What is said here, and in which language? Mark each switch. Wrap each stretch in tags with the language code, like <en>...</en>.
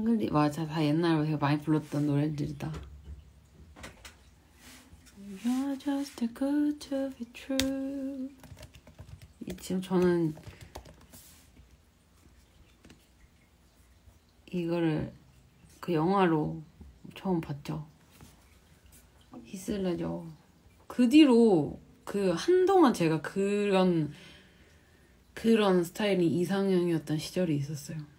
<ko>맞아, 다 옛날에 제가 많이 불렀던 노래들이다.</ko> <en>You're just too good to be true.</en> <ko>지금 저는 이거를 그 영화로 처음 봤죠. 히슬레저. 그 뒤로 그 한동안 제가 그런 스타일이 이상형이었던 시절이 있었어요.</ko>